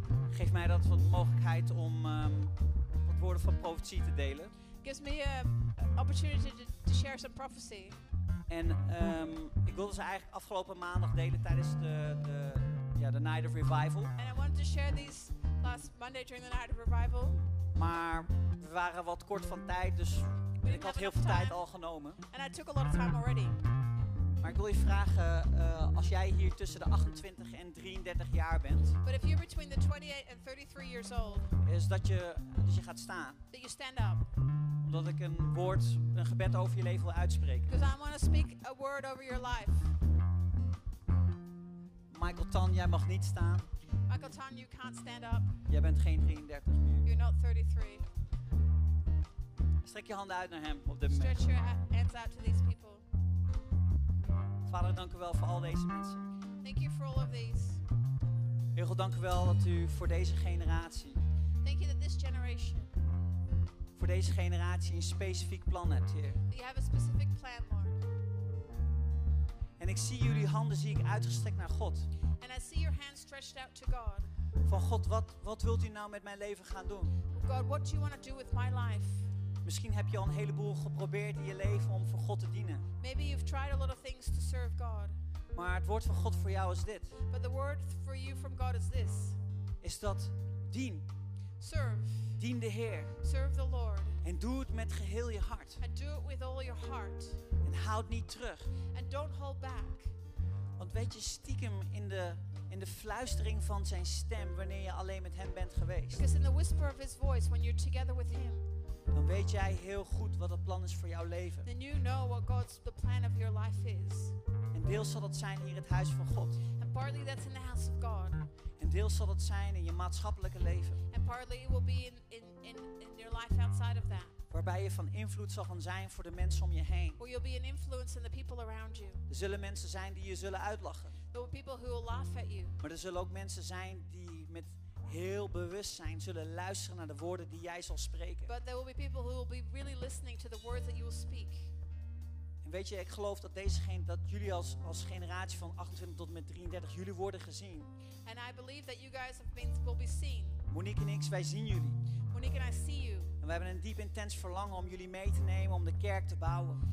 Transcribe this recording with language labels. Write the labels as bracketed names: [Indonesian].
[Dutch] Geef mij dat wat mogelijkheid om wat woorden van profetie te delen. [English] Gives me an opportunity to share some prophecy. [Dutch] En ik wilde ze eigenlijk afgelopen maandag delen tijdens de Night of Revival. [English] And I wanted to share these last Monday during the Night of Revival. [Dutch] Maar we waren wat kort van tijd, dus ik had heel veel tijd al genomen. [English] And I took a lot of time already. [Dutch] Maar ik wil je vragen, als jij hier tussen de 28 en 33 jaar bent, [English] but if you're between the 28 and 33 years old, [Dutch] is dat je gaat staan. [English] That you stand up. [Dutch] Omdat ik een gebed over je leven wil uitspreken. [English] Because I want to speak a word over your life. [Dutch] Michael Tan, jij mag niet staan. [English] Michael Tan, you can't stand up. [Dutch] Jij bent geen 33 meer. [English] You're not 33. [Dutch] Strek je handen uit naar hem op dit moment. [English] Stretch your hands out to these people. [Dutch] Vader, dank u wel voor al deze mensen. [English] Thank you for all of these. [Dutch] Heel goed, dank u wel dat u voor deze generatie. [English] Thank you that this generation. [Dutch] Voor deze generatie een specifiek plan hebt, Heer. [English] You have a specific plan, Lord. [Dutch] En ik zie jullie handen zie ik uitgestrekt naar God. [English] And I see your hands stretched out to God. [Dutch] Van God, wat wilt u nou met mijn leven gaan doen? [English] God, what do you want to do with my life? [Dutch] Misschien heb je al een heleboel geprobeerd in je leven om voor God te dienen. [English] Maybe you've tried a lot of things to serve God. [Dutch] Maar het woord van God voor jou is dit. [English] But the word for you from God is this. [Dutch] Is dat dien. [English] Serve. [Dutch] Dien de Heer. [English] Serve the Lord. [Dutch] En doe het met geheel je hart. [English] And do it with all your heart. [Dutch] En houd niet terug. [English] And don't hold back. [Dutch] Want weet je, stiekem in de fluistering van zijn stem, wanneer je alleen met hem bent geweest. [English] Because in the whisper of his voice, when you're together with him. [Dutch] Dan weet jij heel goed wat het plan is voor jouw leven. [English] Then you know what God's the plan of your life is. [Dutch] En deels zal dat zijn hier in het huis van God. [English] And partly that's in the house of God. [Dutch] En deels zal dat zijn in je maatschappelijke leven. [English] And partly it will be in your life outside of that. [Dutch] Waarbij je van invloed zal gaan zijn voor de mensen om je heen. [English] Or you'll be an influence in the people around you. [Dutch] Er zullen mensen zijn die je zullen uitlachen. [English] There will be people who will laugh at you. [Dutch] Maar er zullen ook mensen zijn die met heel bewust zijn zullen luisteren naar de woorden die jij zal spreken. [English] But there will be people who will be really listening to the words that you will speak. [Dutch] En weet je, ik geloof dat dat jullie als generatie van 28 tot met 33 jullie worden gezien. [English] And I believe that you guys have been will be seen. [Dutch] Monique en ik, wij zien jullie. [English] Monique and I see you. [Dutch] En we hebben een diep intens verlangen om jullie mee te nemen om de kerk te bouwen.